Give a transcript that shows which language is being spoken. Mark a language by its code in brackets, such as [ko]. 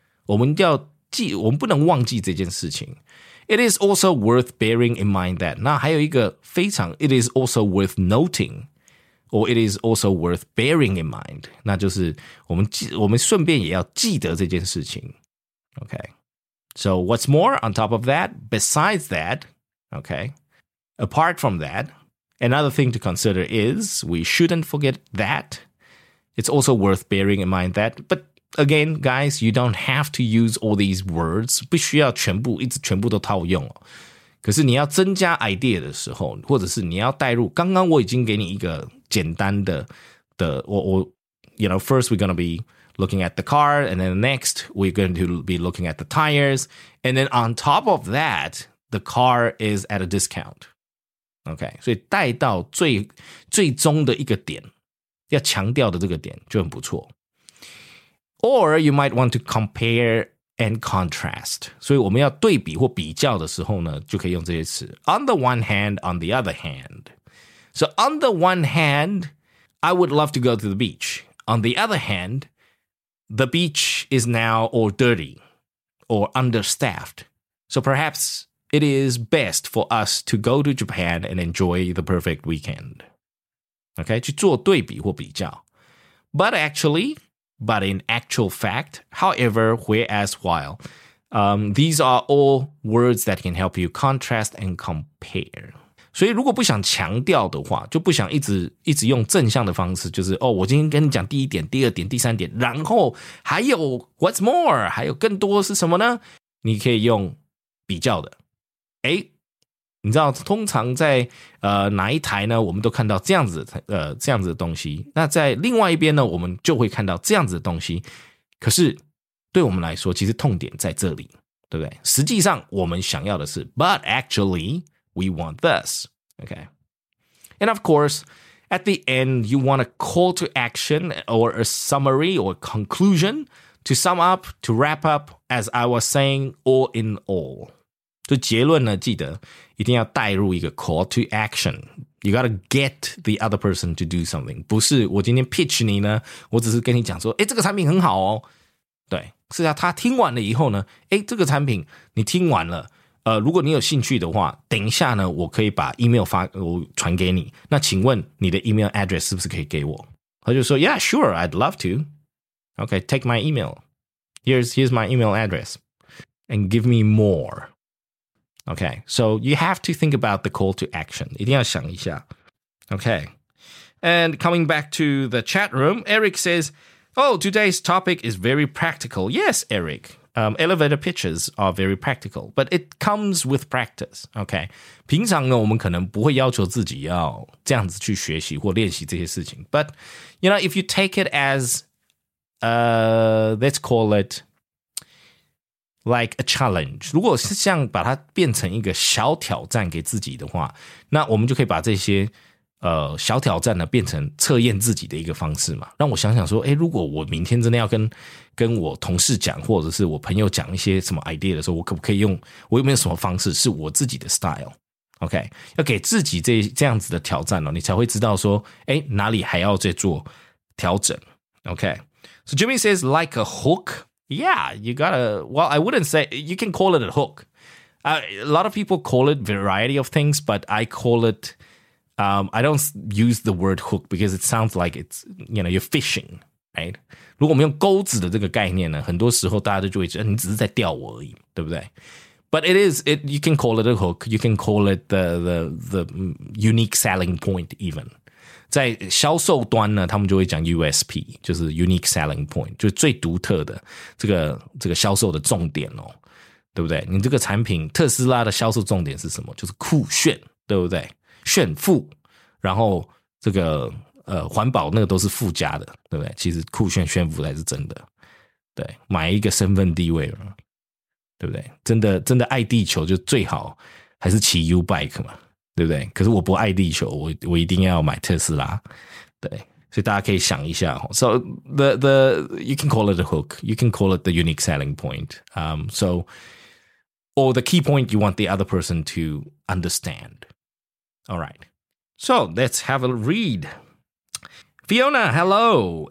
[zh] 我们要记，我们不能忘记这件事情。 [en] It is also worth bearing in mind that. [zh] 那还有一个非常 [en] it is also worth noting, or it is also worth bearing in mind. [zh] 那就是我们顺便也要记得这件事情。 [en] Okay. So what's more, on top of that, besides that, okay, apart from that, another thing to consider is we shouldn't forget that. It's also worth bearing in mind that, but,Again, guys, you don't have to use all these words. [zh] 不需要全部一直全部都套用、哦、可是你要增加 idea 的时候，或者是你要带入。刚刚我已经给你一个简单的我 [en] you know, first we're going to be looking at the car, and then next we're going to be looking at the tires, and then on top of that, the car is at a discount. [zh] Okay, 所以带到最终的一个点，要强调的这个点就很不错。 [en] Or you might want to compare and contrast. [zh] 所以我们要对比或比较的时候呢，就可以用这些词。 [en] On the one hand, on the other hand. So on the one hand, I would love to go to the beach. On the other hand, the beach is now all dirty or understaffed. So perhaps it is best for us to go to Japan and enjoy the perfect weekend. [zh] Okay, 去做对比或比较。 [en] But in actual fact, however, whereas, while, these are all words that can help you contrast and compare. [zh] 所以如果不想强调的话，就不想一直用正向的方式，就是哦，我今天跟你讲第一点、第二点、第三点，然后还有 [en] what's more, [zh] 还有更多是什么呢？你可以用比较的。诶，你知道通常在哪一台呢我们都看到这样子的东西，那在另外一边呢我们就会看到这样子的东西，可是对我们来说其实痛点在这里，对不对？实际上我们想要的是 [en] But actually we want this. Okay. And of course at the end you want a call to action or a summary or conclusion to sum up, to wrap up, as I was saying, all in all. [zh] 就结论呢，记得一定要带入一个 call to action. [en] You gotta get the other person to do something. [zh] 不是我今天 pitch 你呢，我只是跟你讲说，诶，这个产品很好哦。对，是要他听完了以后呢，诶，这个产品你听完了，如果你有兴趣的话，等一下呢，我可以把 email 发我传给你。那请问你的 email address 是不是可以给我？他就说 ， [en] Yeah, sure, I'd love to. Okay, take my email. Here's my email address, and give me more. Okay, so you have to think about the call to action. [zh] 一定要想一下。 [en] Okay, and coming back to the chat room, Eric says, oh, today's topic is very practical. Yes, Eric, elevator pitches are very practical, but it comes with practice. [zh] Okay, 平常呢我们可能不会要求自己要这样子去学习或练习这些事情。 [en] But, you know, if you take it as, let's call it,Like a challenge. [zh] 如果是像把它变成一个小挑战给自己的话，那我们就可以把这些小挑战呢变成测验自己的一个方式嘛。让我想想说，诶，如果我明天真的要跟我同事讲，或者是我朋友讲一些什么 idea 的时候，我可不可以用，我有没有什么方式是我自己的 style? OK, 要给自己这样子的挑战哦，你才会知道说，诶，哪里还要再做调整。 [en] OK, so Jimmy says, like a hook,Yeah, you gotta, well, I wouldn't say, you can call it a hook. A lot of people call it variety of things, but I call it, I don't use the word hook because it sounds like it's, you know, you're fishing, right? [zh] 如果我们用钩子的这个概念呢，很多时候大家就会觉得你只是在钓我而已，对不对？ [en] But it is, you can call it a hook. You can call it the unique selling point even. [zh] 在销售端呢，他们就会讲 USP, 就是 unique selling point, 就是最独特的这个销售的重点哦，对不对？你这个产品特斯拉的销售重点是什么？就是酷炫，对不对？炫富，然后这个环保那个都是附加的，对不对？其实酷炫炫富才是真的，对，买一个身份地位嘛，对不对？真的爱地球就最好还是骑 U bike 嘛。对不对？可是我不爱地球，我一定要买特斯拉。对，所以大家可以想一下。 [en] So the you can call it a hook, you can call it the unique selling point. So or the key point you want the other person to understand. All right. So let's have a read. Fiona, hello.